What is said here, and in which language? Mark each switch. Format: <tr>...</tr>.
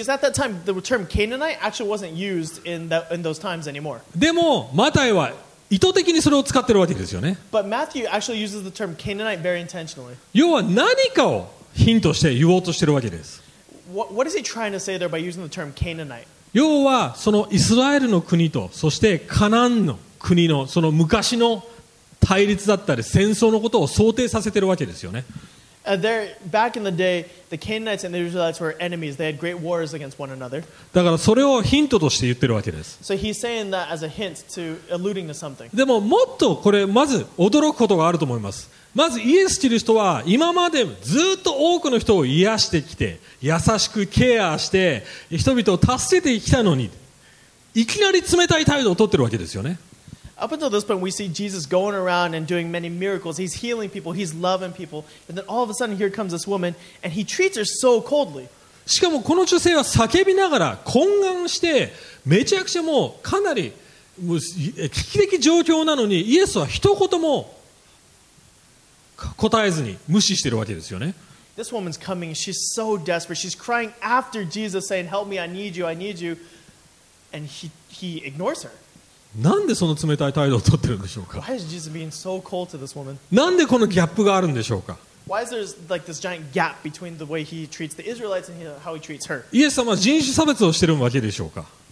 <en>Because at that time, the term Canaanite actually wasn't used in those times anymore.</en> <ja>でもマタイは意図的にそれを使ってるわけですよね。</ja> <en>But Matthew actually uses the term Canaanite very intentionally.</en> <ja>要は何かをヒントして言おうとしてるわけです。</ja> <en>What is he trying to say there by using the term Canaanite?</en> <ja>要はそのイスラエルの国とそしてカナンの国のその昔の対立だったり戦争のことを想定させてるわけですよね。</ja> <en>There back in the day, the Canaanites and the Israelites were enemies. They had great wars against one another.</en> <ja>だからそれをヒントとして言ってるわけです。</ja> <en>So he's saying that as a hint to alluding to something.</en> <ja>でももっとこれまず驚くことがあると思います。まずイエス・キリストは今までずっと多くの人を癒してきて、優しくケアして人々を助けてきたのに、いきなり冷たい態度を取ってるわけですよね。</ja> <en>Up until this point, we see Jesus going around and doing many miracles. He's healing people. He's loving people. And then all of a sudden, here comes this woman, and he treats her so coldly.</en> <ja>しかもこの女性は叫びながら懇願してめちゃくちゃもうかなり危機的状況なのにイエスは一言も答えずに無視してるわけですよね。</ja> <en>This woman's coming. She's so desperate. She's crying after Jesus, saying, "Help me! I need you! I need you!" And he ignores her.</en> <ja>なんでその冷たい態度を取ってるんでしょうか。</ja> <en>Why is Jesus being so cold to this woman?</en> <ja>なんでこのギャップがあるんでしょうか。</ja> <en>Why is there like this giant gap between the way he treats the Israelites and how he treats her?</en> <ja>イエス様は人種差別をしてるわけでしょうか。</ja>